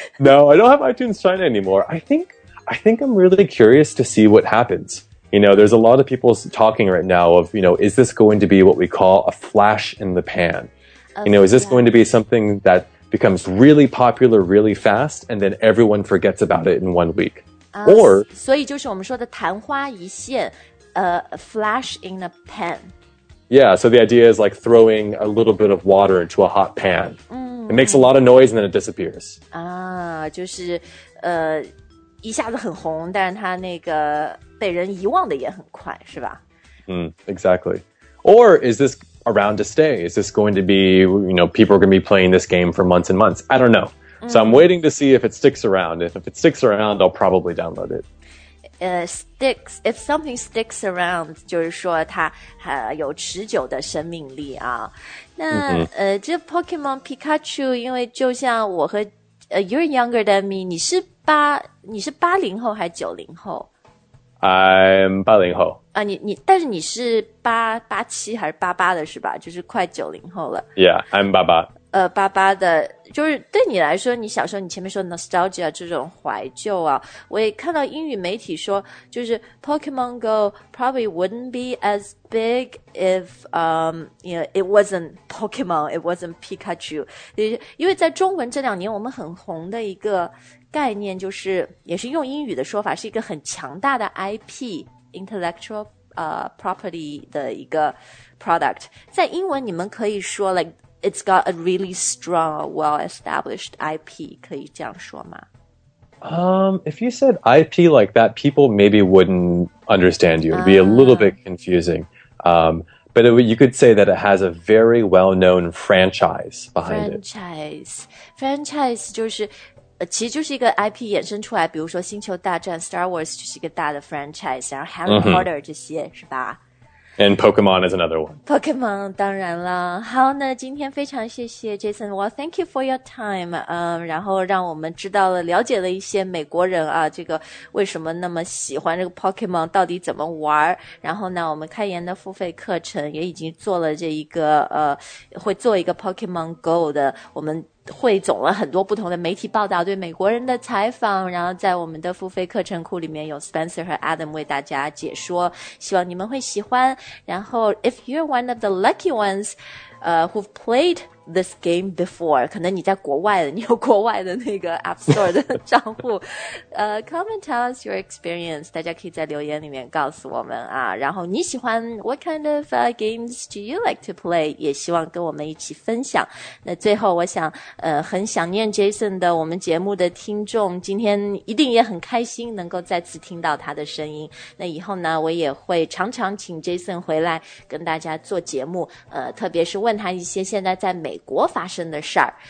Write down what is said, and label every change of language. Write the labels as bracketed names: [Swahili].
[English] No, I don't have iTunes China anymore I think I'm really curious to see what happens there's a lot of people talking right now of is this going to be what we call a flash in the pan is this going to be something that becomes really popular really fast and then everyone forgets about it in 1 week Or, [Chinese] 所以就是我们说的昙花一现 [English] flash in a pan. Yeah, so the idea is like throwing a little bit of water into a hot pan. It makes a lot of noise and then it disappears. [Chinese] 就是一下子很红但是它那个被人遗忘的也很快是吧、 [English] exactly. Or is this around to stay? Is this going to be, people are going to be playing this game for months and months? I don't know. So I'm waiting to see if it sticks around. If it sticks around, I'll probably download it. If something sticks around, [Chinese] 就是说它有持久的生命力啊。那、mm-hmm. 这 Pokemon Pikachu, 因为就像我和 [English] you're younger than me, [Chinese] 你是80后还是90后? [English] I'm 80后。 [Chinese] 啊、你但是你是87还是88的是吧? 就是快90后了。 [English] Yeah, I'm 88。 [Chinese] 八八的，就是对你来说，你小时候，你前面说 nostalgia 这种怀旧啊，我也看到英语媒体说，就是 [English] Pokemon Go probably wouldn't be as big if it wasn't Pokemon, it wasn't Pikachu. [Chinese] 因为在中文这两年，我们很红的一个概念，就是也是用英语的说法，是一个很强大的 IP intellectual property 的一个 product。在英文，你们可以说 like。 [English] it's got a really strong, well-established IP, [Chinese] 可以这样说吗？ [English] If you said IP like that, people maybe wouldn't understand you. It'd be a little bit confusing. But you could say that it has a very well-known franchise behind franchise. [Chinese] Franchise 就是其实就是一个 IP 衍生出来，比如说《星球大战》（Star Wars） 就是一个大的 franchise， 然后《Harry Potter》这些、是吧 [English] ？And Pokemon is another one. [Chinese] Pokemon 当然了。好，那今天非常谢谢 Jason。 [English] Well, thank you for your time。 [Chinese] 然后让我们知道了、了解了一些美国人啊，这个为什么那么喜欢这个 Pokemon， 到底怎么玩？然后呢，我们开言的付费课程也已经做了这一个会做一个 Pokemon Go 的我们。汇总了很多不同的媒体报道对美国人的采访，然后在我们的付费课程库里面有 Spencer 和 Adam 为大家解说，希望你们会喜欢。然后 [English] If you're one of the lucky ones who've played this game before， [Chinese] 可能你在国外的，你有国外的那个 App Store 的账户 [English] come and tell us your experience， [Chinese] 大家可以在留言里面告诉我们啊。然后你喜欢 [English] What kind of games do you like to play， [Chinese] 也希望跟我们一起分享。那最后我想很想念 Jason 的我们节目的听众，今天一定也很开心能够再次听到他的声音。那以后呢，我也会常常请 Jason 回来跟大家做节目，特别是问他一些现在在美国发生的事儿。